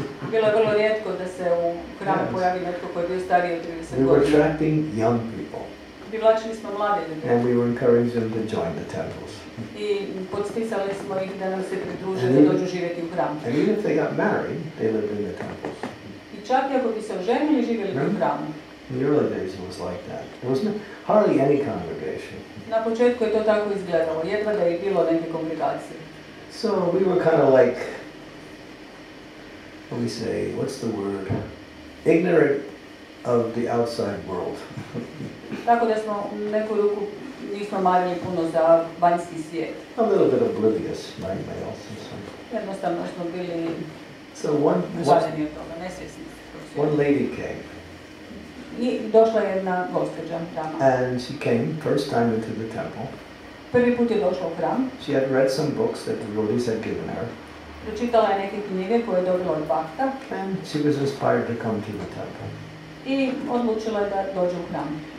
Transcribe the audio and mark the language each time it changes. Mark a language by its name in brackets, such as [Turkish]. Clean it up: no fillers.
[Croatian] Bilo je vrlo rijetko da se u hramu pojavi netko koji je bio stariji od 30 godina. [English] We were attracting young people. [Croatian] Privlačili smo mlade ljude. [English] And we were encouraging them to join the temples. [Croatian] I podsticali smo ih da nam se pridruže, da dođu živjeti u hram. [English] And even if they got married, they lived in the temples. [Croatian] I čak i ako bi se oženili, živjeli u hramu. [English] In the early days it was like that. There was hardly any congregation. [Croatian] Na početku je to tako izgledalo, jedva da je bilo neke kongregacije. [English] So we were kind of like, what we say, what's the word? Ignorant of the outside world. [Croatian] Tako da smo u neku ruku nismo marili puno za vanjski svijet. [English] A little bit oblivious, might I also say. [Croatian] Jednostavno smo bili uzvaljeni od toga, nesvjesni. [English] One lady came. [Croatian] I došla jedna gospođa tamo. [English] And she came first time into the temple. [Croatian] Prvi put je došla u hram. [English] She had read some books that the devotees had given her. [Croatian] Pročitala je neke knjige koje je dobila od bhakta. [English] And she was inspired to come to the temple. [Croatian] I odlučila je da dođe u hram.